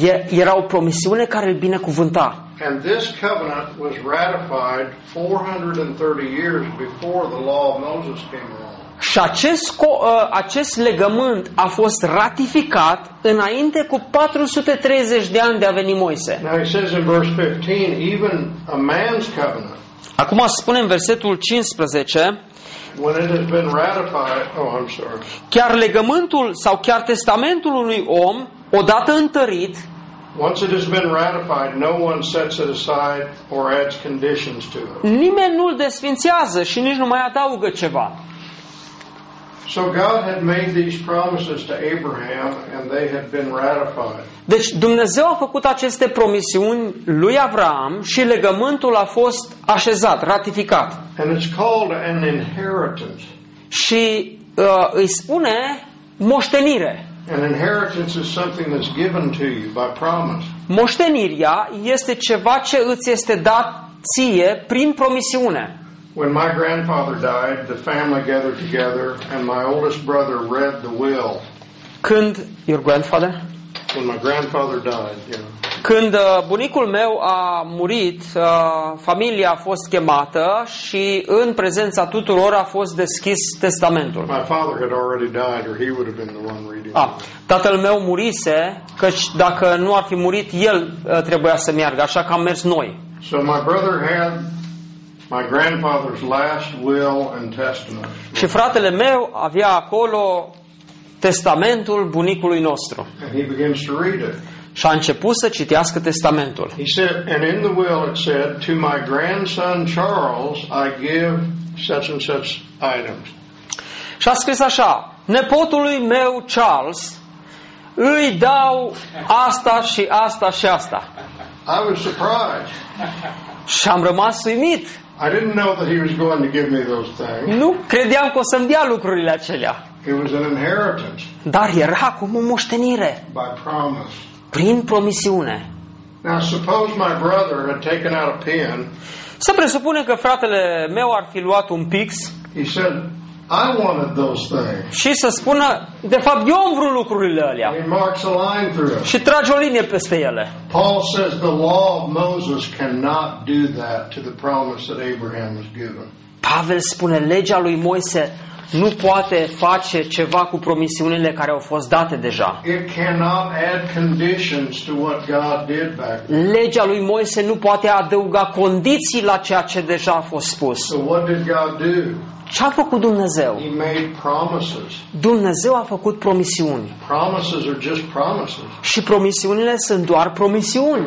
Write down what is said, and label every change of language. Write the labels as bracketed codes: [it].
[ro] Era o promisiune care îl binecuvânta. [en] And this covenant was ratified 430 years before the law of Moses came along. [ro] Și acest legământ a fost ratificat înainte cu 430 de ani de a veni Moise. [en] Now he says in verse 15, even a man's covenant. [ro] Acum spune în versetul 15. [en] When it has been ratified, oh, I'm sorry. [ro] Chiar legământul sau chiar testamentul unui om, odată întărit, [en] once it has been ratified, no one sets it aside or adds conditions to it. [ro] Nimeni nu-l desfințează și nici nu mai adaugă ceva. [en] So God had made these promises to Abraham and they had been ratified. [ro] Deci Dumnezeu a făcut aceste promisiuni lui Avraam și legământul a fost așezat, ratificat. [en] And it's called an inheritance. [ro] Și îi spune moștenire. [en] An inheritance is something that's given to you by promise. [ro] Moștenirea este ceva ce îți este dat ție prin promisiune. [en] When my grandfather died, the family gathered together and my oldest brother read the will. [ro] Când [en] your grandfather? When my grandfather died, yeah. [ro] Când bunicul meu a murit, familia a fost chemată și în prezența tuturor a fost deschis testamentul. [en] My father had already died or he would have been the one reading. [ro] Ah, tatăl meu murise, căci dacă nu ar fi murit, el trebuia să meargă, așa că am mers noi. [en] So my brother had my grandfather's last will and testament. [ro] Și fratele meu avea acolo testamentul bunicului nostru. [en] And he begins to read it. [ro] Și a început să citească testamentul. [en] He said, and in the will it said, to my grandson Charles I give such and such items. [ro] Și a scris așa, nepotului meu Charles îi dau asta și asta și asta. [en] I was surprised. [ro] Și am rămas uimit. [en] I didn't know that he was going to give me those things. [ro] Nu credeam că o să-mi dea lucrurile acelea. [en] It was an inheritance. [ro] Dar era acum o moștenire. [en] By promise. [ro] Prin promisiune. [en] Now suppose my brother had taken out a pen. [ro] Să presupunem că fratele meu ar fi luat un pix. [en] He said, I wanted those things. [ro] Și să spună, de fapt eu am vrut lucrurile alea. [en] He marks a line through. [ro] Și trage o linie peste ele. [en] Paul says the law of Moses cannot do that to the promise that Abraham was given. [ro] Pavel spune, legea lui Moise nu poate face ceva cu promisiunile care au fost date deja. [en] It cannot add conditions to what God did back then. [ro] Legea lui Moise nu poate adăuga condiții la ceea ce deja a fost spus. [en] So what did God do? [ro] Ce-a făcut Dumnezeu? [en] He made promises. [ro] Dumnezeu a făcut promisiuni. [en] Promises are just promises. [ro] Și promisiunile sunt doar promisiuni.